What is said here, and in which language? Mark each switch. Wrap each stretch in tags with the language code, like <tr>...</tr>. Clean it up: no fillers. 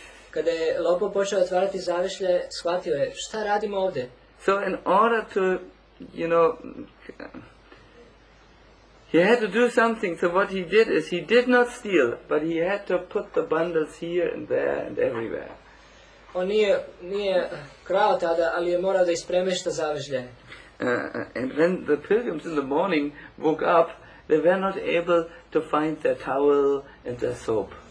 <bs>Kada je lopov počeo otvarati zavešlje, shvatio je, šta radimo ovdje?</bs> <en>So in order to, you know, he had to do something, so what he did is, he did not steal, but he had to put the bundles here and there and everywhere.</en> <bs>On nije krao tada, ali je morao da ispremešta zavežlje.</bs> <en>And when the pilgrims in the morning woke up, they were not able to find their towel and their soap.</en>